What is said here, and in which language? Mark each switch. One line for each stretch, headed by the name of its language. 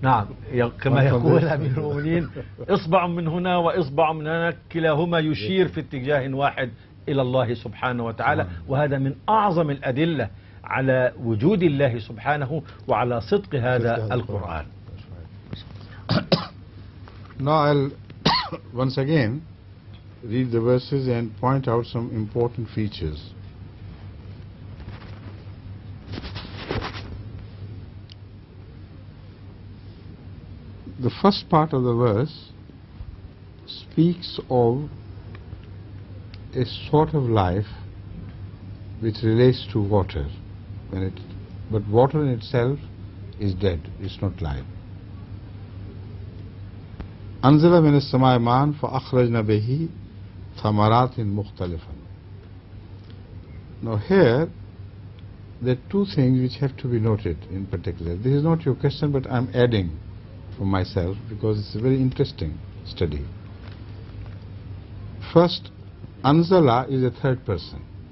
Arabic: نعم، كما يقول أمير المؤمنين إصبع من هنا وإصبع من هنا، كلاهما يشير في اتجاه واحد إلى الله سبحانه وتعالى. وهذا من أعظم الأدلة على وجود الله سبحانه وعلى صدق هذا القرآن.
English: Now I'll once again read the verses and point out some important features. The first part of the verse speaks of a sort of life which relates to water, but water in itself is dead, it's not life.
Arabic: أنزل من السماء ماء فأخرجنا به ثمرات مختلفة.
English: Now here there are two things which have to be noted in particular. This is not your question, but I'm adding for myself because it's a very interesting study. First, Anzala is a third person.